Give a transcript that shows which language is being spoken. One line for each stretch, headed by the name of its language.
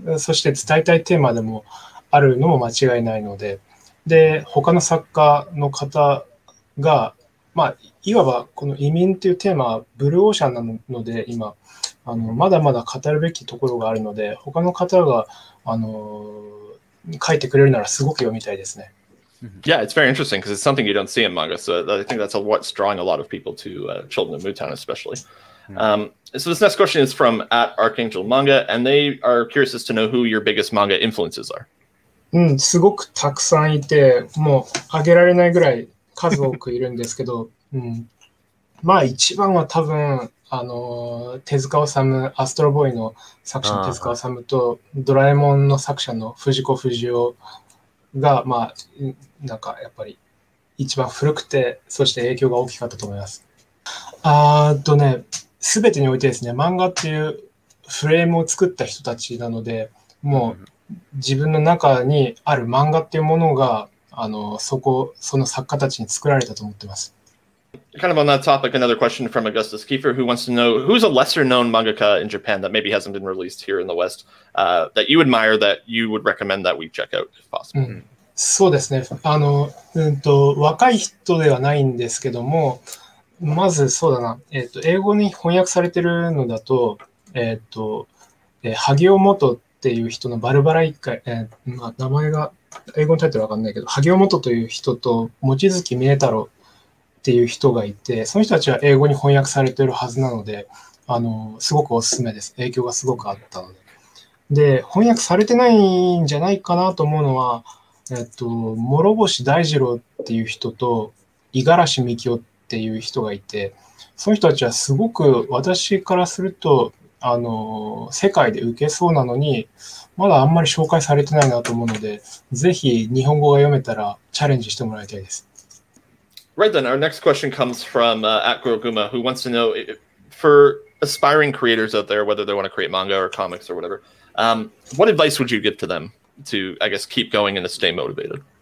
Japanese: そして伝えたいテーマでもあるのも間違いないので、で他の作家の方が、まあ、いわばこの移民というテーマはブルーオーシャンなので、今あのまだまだ語るべきところがあるので、他の方があの書いてくれるならすごく読みたいですね。
English: Yeah, it's very interesting because it's something you don't see in manga, so I think that's what's drawing a lot of people to Children of Mutown especially. So this next question is from @ArchangelManga, and they are curious as to know who your biggest manga influences are.
Japanese: すごくたくさんいて、もうあげられないぐらい数多くいるんですけど、まあ一番は多分あの手塚治虫、アストロボーイの作者の手塚治虫と、ドラえもんの作者の藤子不二雄が、まあ、なんかやっぱり一番古くて、そして影響が大きかったと思います。ね、全てにおいてですね、漫画っていうフレームを作った人たちなので、もう自分の中にある漫画っていうものが、その作家たちに作られたと思ってます。
English: Kind of on that topic, another question from Augustus Kiefer, who wants to know, who's a lesser-known mangaka in Japan that maybe hasn't been released here in the West, that you admire, that you would recommend that we check out, if possible?、
Japanese: うん、そうですね。若い人ではないんですけども、まずそうだな、英語に翻訳されてるのだと、萩尾元っていう人のバルバラ一家、名前が、英語のタイトルわかんないけど、萩尾元という人と、望月明太郎、っていう人がいて、その人たちは英語に翻訳されているはずなので、すごくおすすめです。影響がすごくあったので。で、翻訳されてないんじゃないかなと思うのは、諸星大二郎っていう人と、五十嵐美京っていう人がいて、その人たちはすごく私からすると、世界で受けそうなのに、まだあんまり紹介されてないなと思うので、ぜひ日本語が読めたらチャレンジしてもらいたいです。
English: Right then, our next question comes from @Guruguma, who wants to know, for aspiring creators out there, whether they want to create manga or comics or whatever, what advice would you give to them to, I guess, keep going and to stay motivated?